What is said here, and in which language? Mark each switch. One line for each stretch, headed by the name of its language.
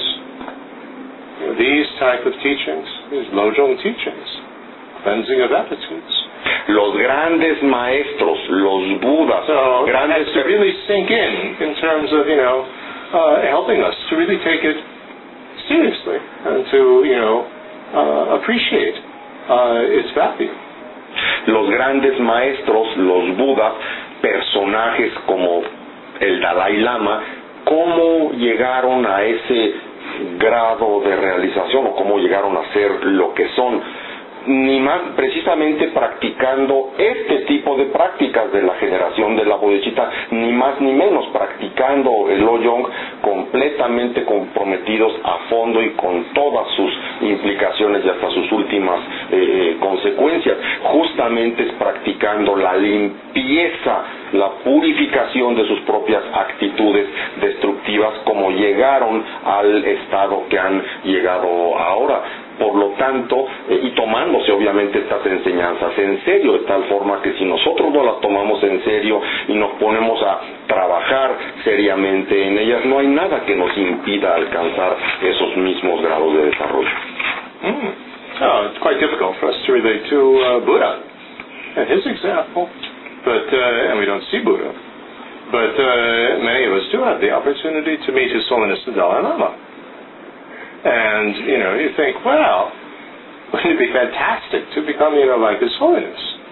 English: You know, these type of teachings, these Lojong teachings, cleansing of attitudes.
Spanish: Los grandes maestros, los Budas,
English: so
Spanish: grandes
English: has to really sink in terms of, you know, helping us to really take it seriously and to, you know, appreciate its value.
Spanish: Los grandes maestros, los Budas, personajes como el Dalai Lama, ¿cómo llegaron a ese grado de realización o cómo llegaron a ser lo que son? ni más, precisamente practicando este tipo de prácticas de la generación de la bodichita, ni más ni menos, practicando el Lojong, completamente comprometidos a fondo y con todas sus implicaciones y hasta sus últimas consecuencias. Justamente es practicando la limpieza, la purificación de sus propias actitudes destructivas, como llegaron al estado que han llegado ahora. Por lo tanto, y tomándose obviamente estas enseñanzas en serio, de tal forma que si nosotros no las tomamos en serio y nos ponemos a trabajar seriamente en ellas, no hay nada que nos impida alcanzar esos mismos grados de desarrollo. Mm.
English: Oh, it's quite difficult for us to relate to Buddha and his example, but and we don't see Buddha, but many of us do have the opportunity to meet His Holiness the Dalai Lama. And, you know, you think, well, wouldn't it be fantastic to become, you know, like His Holiness?